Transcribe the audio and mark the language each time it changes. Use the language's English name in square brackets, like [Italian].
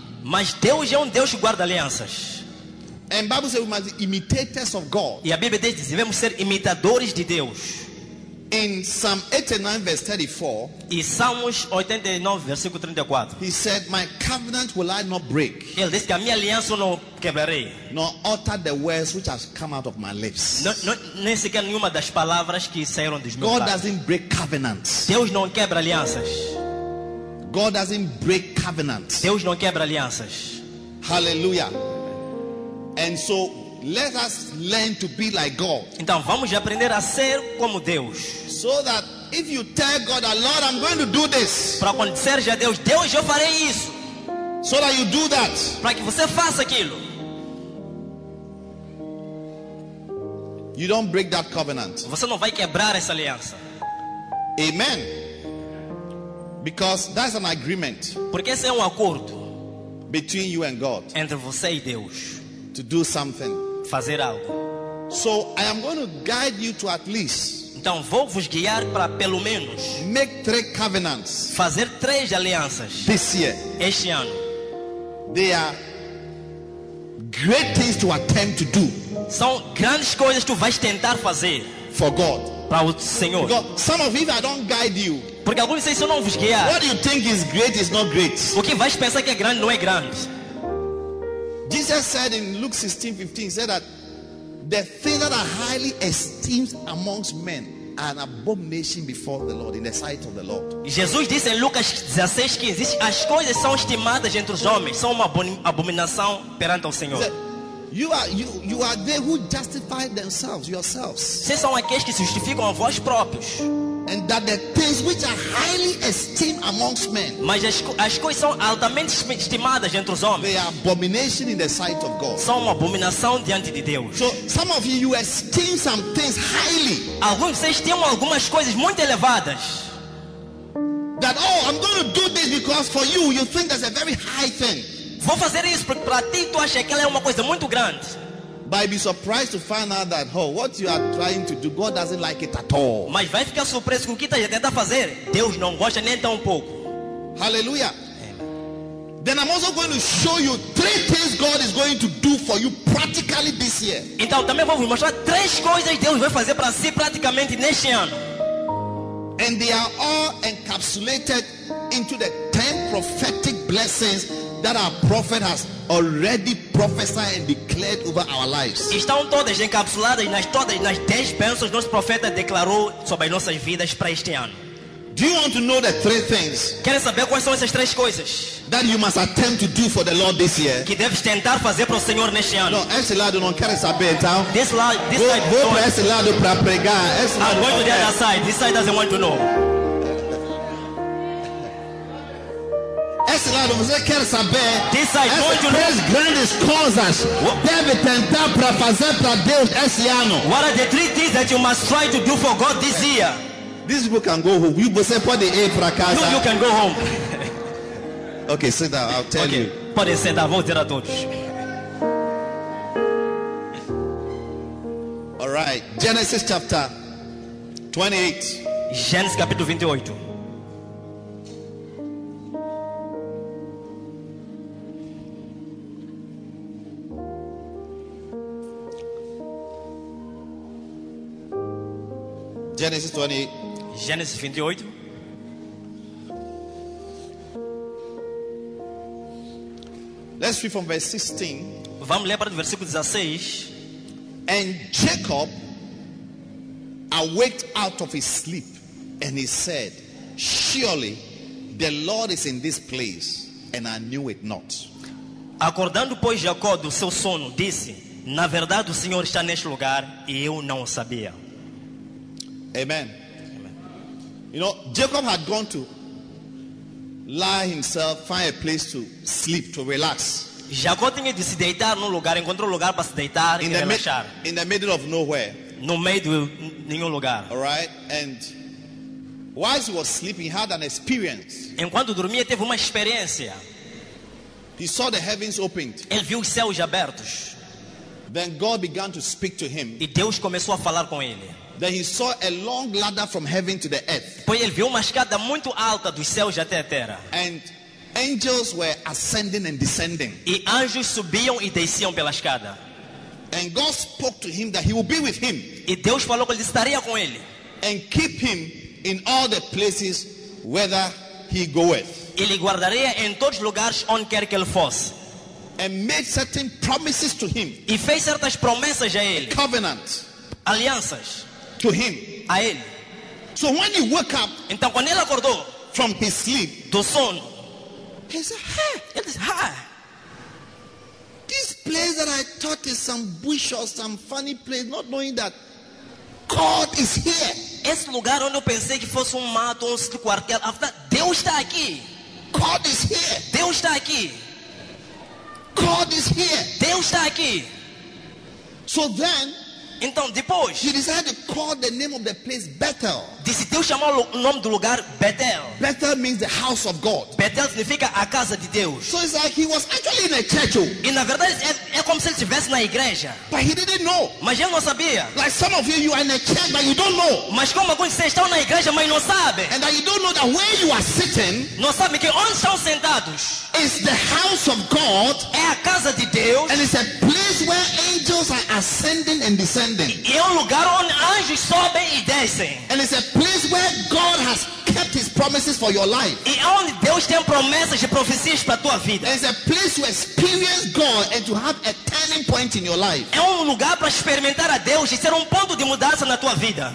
[Portuguese] Mas Deus é Deus que guarda alianças. [English] And Bible says we must be imitators of God. [Portuguese] E a Bíblia diz que devemos ser imitadores de Deus. [English] In Psalm 89 verse 34. [Portuguese] E Salmos 89 versículo 34. [English] He said, "My covenant will I not break." [Portuguese] Ele disse que a minha aliança não quebrarei. [English] Nor utter the words which has come out of my lips. [Portuguese] Nem sequer nenhuma das palavras que saíram dos meus lábios. [English] God doesn't break covenants. [Portuguese] Deus não quebra alianças. [English] God doesn't break covenants. [Portuguese] Deus não quebra alianças. [English] Hallelujah. And so let us learn to be like God. [Portuguese] Então vamos aprender a ser como Deus. [English] So that if you tell God, Lord, I'm going to do this. [Portuguese] Para quando disseres a Deus, Deus, eu farei isso. [English] So that you do that. [Portuguese] Para que você faça aquilo. [English] You don't break that covenant. [Portuguese] Você não vai quebrar essa aliança. [English] Amen. Because that's an agreement. [Portuguese] Porque esse é um acordo. [English] Between you and God. [Portuguese] Entre você e Deus. [English] To do something. [Portuguese] Fazer algo. [English] So I am going to guide you to at least. [Portuguese] Então vou vos guiar para pelo menos. [English] Make three covenants. [Portuguese] Fazer três alianças. [English] This year. [Portuguese] Este ano. [English] They are great things to attempt to do. [Portuguese] São grandes coisas que tu vais tentar fazer. [English] For God. [Portuguese] Para o Senhor. [English] Because some of you, I don't guide you. [Portuguese] Porque alguns dizem, se eu não vos guiar, [English] what you think is great is not great. [Portuguese] O que vais pensar que é grande não é grande. [English] Jesus said in Luke 16:15, said that the things that are highly esteemed amongst men are an abomination before the Lord, in the sight of the Lord. [Portuguese] Jesus disse em Lucas 16:15, as coisas são estimadas entre os homens, são uma abominação perante o Senhor. [English] You are they who justify themselves, yourselves. [Portuguese] Vocês são aqueles que se justificam a vós próprios. [English] And that the things which are highly esteemed amongst men, [Portuguese] mas as coisas são altamente estimadas entre os homens, [English] they are abomination in the sight of God. [Portuguese] São uma abominação diante de Deus. [English] So some of you esteem some things highly. [Portuguese] Alguns vocês têm algumas coisas muito elevadas. [English] That I'm going to do this because for you, you think that's a very high thing. [Portuguese] Vou fazer isso porque para ti tu achas que ela é uma coisa muito grande. [English] But I'd be surprised to find out that what you are trying to do, God doesn't like it at all. [Portuguese] Mas vai ficar surpreso com o que está a tentar fazer. Deus não gosta nem tão pouco. [English] Hallelujah. Amen. Then I'm also going to show you three things God is going to do for you practically this year. [Portuguese] Então também vou mostrar três coisas Deus vai fazer para si praticamente neste ano. [English] And they are all encapsulated into the 10 prophetic blessings that our prophet has already prophesied and declared over our lives. [Portuguese] Estão todas encapsuladas nas 10 bênçãos que nosso profeta declarou sobre as nossas vidas para este ano. [English] Do you want to know the three things? [Portuguese] Quer saber quais são essas três coisas? [English] That you must attempt to do for the Lord this year. [Portuguese] Que deves tentar fazer para o Senhor neste ano. No, esse lado não quer saber, então. [English] This side. [Portuguese] Vou para esse lado para pregar. Esse lado. [English] I'm going to the other side. This side doesn't want to know. [Portuguese] Esse lado você quer saber? [English] This side, [Portuguese] essas três grandes coisas deve tentar para fazer para Deus esse ano. [English] What are the three things that you must try to do for God this year? These people can go home. You [Portuguese] você pode ir para casa. [English] You can go home. Okay, sit down. I'll tell you. [Portuguese] Pode sentar, vou dizer a todos. [English] right. Genesis chapter 28. [Portuguese] Gênesis capítulo 28. [English] Genesis 28. [Portuguese] Gênesis 28. [English] Let's read from verse 16. [Portuguese] Vamos ler para o versículo 16. [English] And Jacob awaked out of his sleep, and he said, "Surely the Lord is in this place, and I knew it not." [Portuguese] Acordando pois Jacó do seu sono, disse: "Na verdade o Senhor está neste lugar, e eu não o sabia." [English] Amen. Amen. You know, Jacob had gone to lie himself, find a place to sleep, to relax. [Portuguese] Jacó tinha de se deitar num lugar, encontrou um lugar para se deitar e relaxar. [English] In the middle of nowhere. [Portuguese] No meio de nenhum lugar. [English] All right, and while he was sleeping, he had an experience. [Portuguese] Enquanto dormia, teve uma experiência. [English] He saw the heavens opened. [Portuguese] Ele viu os céus abertos. [English] Then God began to speak to him. [Portuguese] E Deus começou a falar com ele. [English] Then he saw a long ladder from heaven to the earth. [Portuguese] Pois ele viu uma escada muito alta dos céus até a terra. [English] And angels were ascending and descending. [Portuguese] E anjos subiam e desciam pela escada. [English] And God spoke to him that he will be with him. [Portuguese] E Deus falou que ele estaria com ele. [English] And keep him in all the places whither he goeth. [Portuguese] E lhe guardaria em todos os lugares onde quer que ele fosse. [English] And made certain promises to him. [Portuguese] E fez certas promessas a ele. [English] A covenant. [Portuguese] Alianças. [English] To him. [Portuguese] A ele. [English] So when he woke up. [Portuguese] Então quando ele acordou. [English] From his sleep. [Portuguese] Do sono. [English] He said, "Hey, it is high. This place that I thought is some bush or some funny place, not knowing that God is here." [Portuguese] Esse lugar onde eu pensei que fosse mato, quartel, after Deus está aqui. [English] God is here. [Portuguese] Deus está aqui. [English] God is here. [Portuguese] Deus está aqui. [English] So then, [Portuguese] então depois, [English] he decided to call the name of the place Bethel. [Portuguese] Decidiu chamar o nome do lugar Bethel. [English] Bethel means the house of God. [Portuguese] Bethel significa a casa de Deus. [English] So it's like he was actually in a church. [Portuguese] E na verdade é como se ele estivesse na igreja. [English] But he didn't know. [Portuguese] Mas ele não sabia. [English] Like some of you are in a church but you don't know. [Portuguese] Mas como alguns vocês estão na igreja mas não sabem. [English] And that you don't know that where you are sitting. [Portuguese] Não sabem que onde estão sentados. [English] Is the house of God. [Portuguese] É a casa de Deus. [English] And it's a place where angels are ascending and descending. [Portuguese] E é um lugar onde anjos sobem e descem. [English] And it's a place where God has kept his promises for your life. [Portuguese] E onde Deus tem promessas e profecias para tua vida. [English] It's a place to experience God and to have a turning point in your life. [Portuguese] É um lugar para experimentar a Deus e ser ponto de mudança na tua vida.